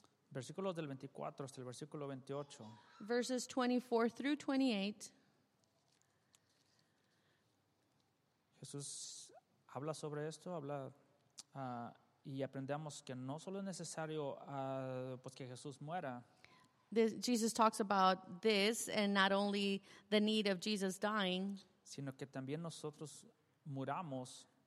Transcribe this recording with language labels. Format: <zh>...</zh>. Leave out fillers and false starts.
<es>Versículos del 24 hasta el versículo 28.</es> <en>Verses 24 through 28.</en> <es>Jesús habla sobre esto, habla y aprendemos que no solo es necesario que Jesús muera.</es> <en>Jesus talks about this and not only the need of Jesus dying,</en> <es>sino que también nosotros muramos.</es>